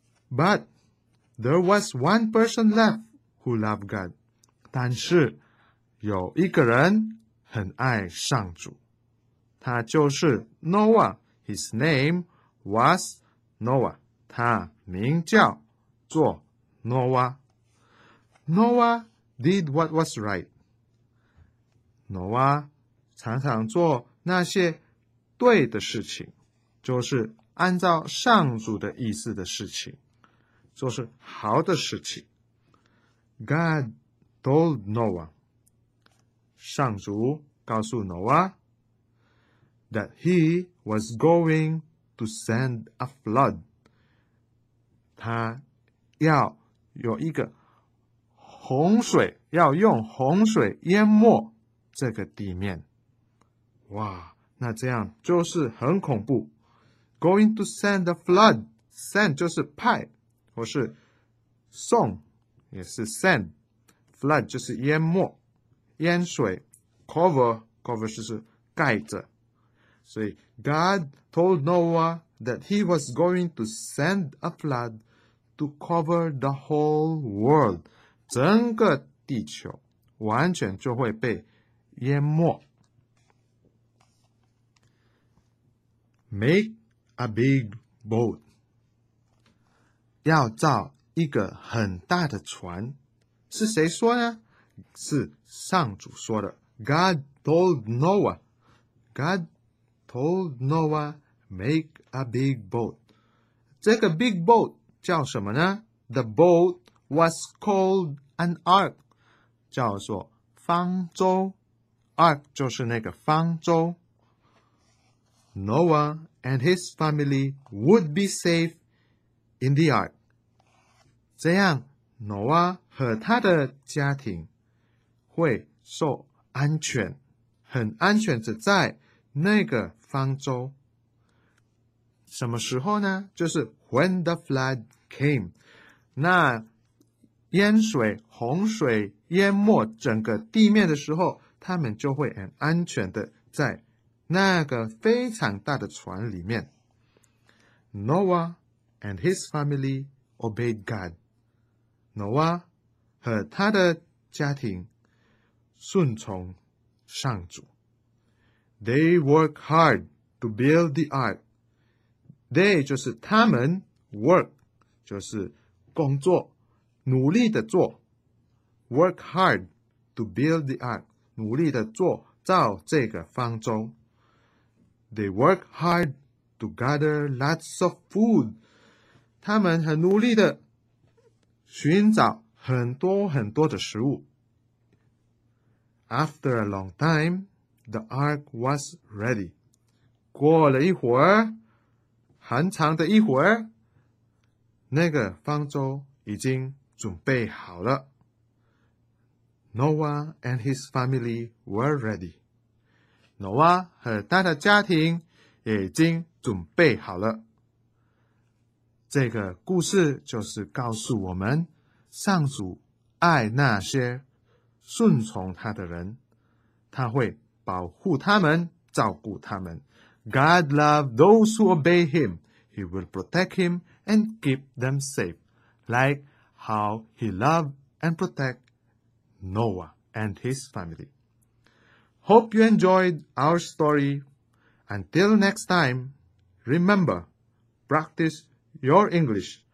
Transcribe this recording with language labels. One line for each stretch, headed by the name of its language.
English: But there was one person left who loved God.
Chinese: 但是有一个人很爱上主。他就是
English: Noah. His name was Noah.
Chinese: 他名叫做 Noah.
English: Noah did what was right.
Chinese: Noah 常常做那些对的事情，就是按照上主的意思的事情，就是好的事情。
English: God told Noah.
Chinese: 上主告诉
English: Noah that he was going to send a flood.
Chinese: 他要有一个洪水，要用洪水淹没这个地面。哇，那这样就是很恐怖。
English: Going to send a flood.
Chinese: Send 就是派，或是送，也是 send。 Flood 就是淹没，淹水。Cover 就是盖着。所以 God told Noah that he was going to send a flood to cover the whole world. 整个地球完全就会被淹没。
English: Make a big boat.
Chinese: 要造一个很大的船。是谁说呢？是上主说的。
English: God told Noah. God told Noah, make a big boat. 这个 big boat
Chinese: 叫什么呢？
English: The boat was called an ark.
Chinese: 叫做方舟。Ark 就是那个方舟。
English: Noah and his family would be safe in the ark.
Chinese: 这样 Noah 和他的家庭会受安全，很安全的在那个方舟。什么时候呢？就是
English: when the flood came，
Chinese: 那淹水洪水淹没整个地面的时候，他们就会很安全的在那个非常大的船里面。
English: Noah and his family obeyed God.
Chinese: Noah 和他的家庭顺从上主。
English: They work hard to build the ark. They
Chinese: 就是他们，
English: work
Chinese: 就是工作，努力的做。
English: Work hard to build the ark，
Chinese: 努力的做造这个方舟。
English: They work hard to gather lots of food.
Chinese: 他们很努力的寻找很多很多的食物。
English: After a long time, the ark was ready.
Chinese: 过了一会儿，很长的一会儿，那个方舟已经准备好了。
English: Noah and his family were ready. Noah
Chinese: 和他的家庭已经准备好了。这个故事就是告诉我们，上主爱那些顺从他的人，他会保护他们，照顾他们。
English: God loves those who obey him. He will protect him and keep them safe. Like how he loved and protected Noah and his family. Hope you enjoyed our story. Until next time, remember, practice your English.